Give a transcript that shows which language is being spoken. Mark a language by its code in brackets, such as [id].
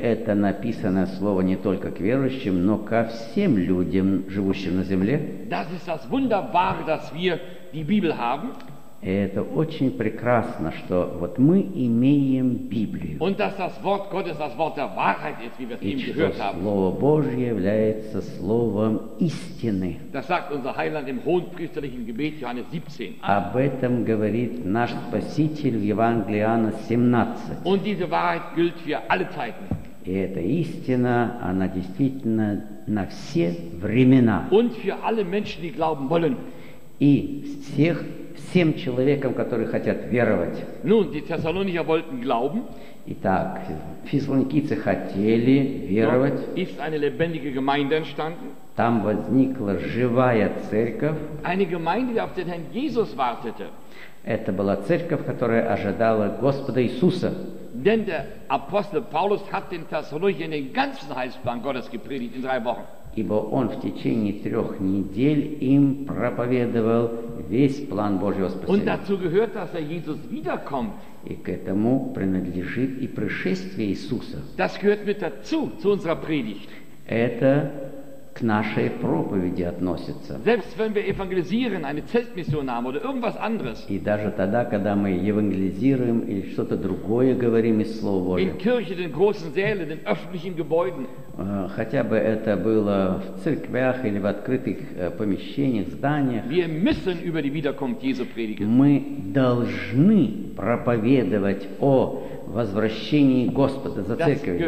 [ru] Это написанное слово не только к верующим, но ко всем людям, живущим на земле. [de] Das ist das Wunderbare, dass wir die Bibel haben. [ru] И это очень прекрасно, что вот мы имеем Библию. [de] Und dass das Wort Gottes das Wort der Wahrheit ist, wie wir es ihm gehört haben. [ru] И что Слово Божье является Словом истины. [de] Das sagt unser Heiland im hohenpriesterlichen Gebet, Johannes 17. [ru] Об этом говорит наш Спаситель в Евангелии Иоанна 17. [de] Und diese Wahrheit gilt für alle Zeiten. [ru] И эта истина, она действительно на все времена. [de] Und für alle Menschen, die glauben wollen. [ru] И всех всем человекам, которые хотят веровать. [de] Nun, die Thessalonicher wollten glauben. [ru] Итак, фессалоникийцы хотели веровать. [de] Dort ist eine lebendige Gemeinde entstanden. [ru] Там возникла живая церковь. [de] Eine Gemeinde, die auf den Herrn Jesus wartete. [ru] Это была церковь, которая ожидала Господа Иисуса. [de] Denn der Apostel Paulus hat den Thessalonicher den ganzen Heilsplan Gottes gepredigt in 3 Wochen. [ru] Ибо он в течение 3 недель им проповедовал весь план Божьего спасения. [de] Und dazu gehört, dass der Jesus wiederkommt. [ru] И к этому принадлежит и пришествие Иисуса. [de] Das gehört mit dazu, zu unserer Predigt. [ru] Это к нашей проповеди относится. [de] Selbst wenn wir evangelisieren, eine Zeltmission haben oder irgendwas anderes. [ru] И даже тогда, когда мы евангелизируем или что-то другое говорим из Слова Божьего. [de] In Kirche, den großen Sälen, den öffentlichen Gebäuden. [ru] Хотя бы это было в церквях или в открытых помещениях, зданиях. [de] Wir müssen über die Wiederkunft Jesu predigen. [ru] Мы должны проповедовать о возвращении Господа за церковью.